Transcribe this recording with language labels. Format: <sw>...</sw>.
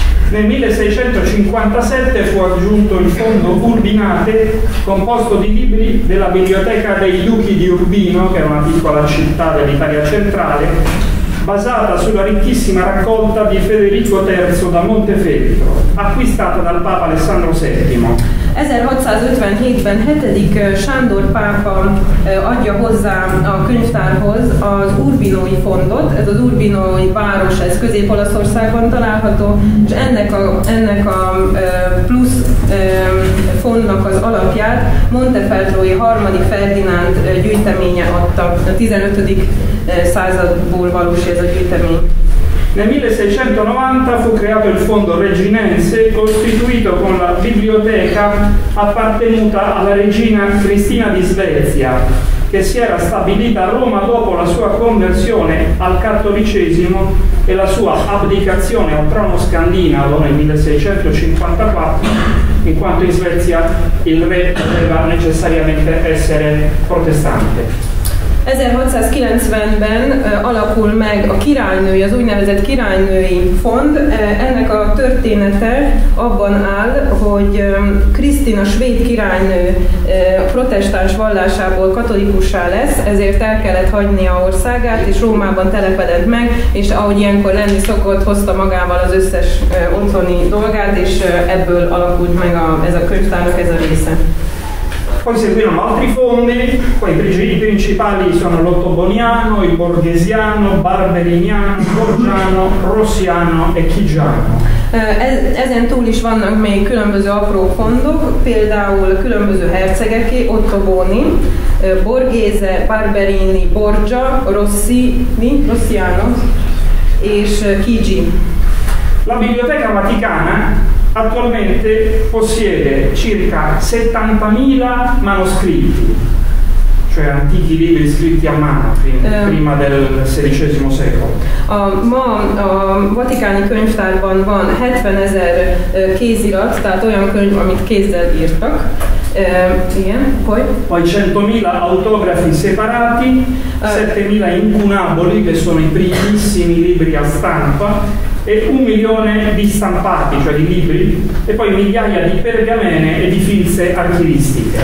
<it>Nel 1657 fu aggiunto il fondo Urbinate, composto di libri della biblioteca dei duchi di Urbino, che era una piccola città dell'Italia centrale, basata sulla ricchissima raccolta di Federico III da Montefeltro, acquistata dal Papa Alessandro VII.</it> <hu>1657-ben 7. Sándor pápa adja hozzá a könyvtárhoz az Urbinói fondot. Ez az Urbinói város, ez Közép-Olaszországban található, és ennek a plusz fondnak az alapját Montefeltrói III. Ferdinánd gyűjteménye adta. A 15. századból valós ez a gyűjtemény.</hu> <it>Nel 1690 fu creato il fondo Reginense, costituito con la biblioteca appartenuta alla regina Cristina di Svezia, che si era stabilita a Roma dopo la sua conversione al cattolicesimo e la sua abdicazione al trono scandinavo nel 1654, in quanto in Svezia il re doveva necessariamente essere protestante.</it> <hu>1690-ben alakul meg a királynői, az úgynevezett királynői fond. Ennek a története abban áll, hogy Krisztina svéd királynő protestáns vallásából katolikussá lesz, ezért el kellett hagyni a országát, és Rómában telepedett meg, és ahogy ilyenkor lenni szokott, hozta magával az összes otthoni dolgát, és ebből alakult meg ez a könyvtárnak ez a része.</hu> <it>poi seguirono altri fondi, poi i principali sono l'ottoboniano, il borghesiano, barberiniano, borgiano, rossiano e chigiano.</it> <hu>Ezen túl is vannak még különböző apró fondok, például különböző hercegeké, ottoboni, borghese, barberini, borgia, rossiano és chigi.</hu> <it>La Biblioteca Vaticana attualmente possiede circa 70.000 manoscritti, cioè antichi libri scritti a mano prima del XVI secolo.</it> <hu>Ma a vaticani könyvtárban van 70.000 kézirat, tehát olyan könyv, amit kézzel írtak. Igen,</hu> <it>poi? Poi 100.000 autografi separati, 7.000 incunaboli, che sono i primissimi libri a stampa, e 1.000.000 di stampati, cioè di libri, e poi migliaia di pergamene e di filze archivistiche.</it>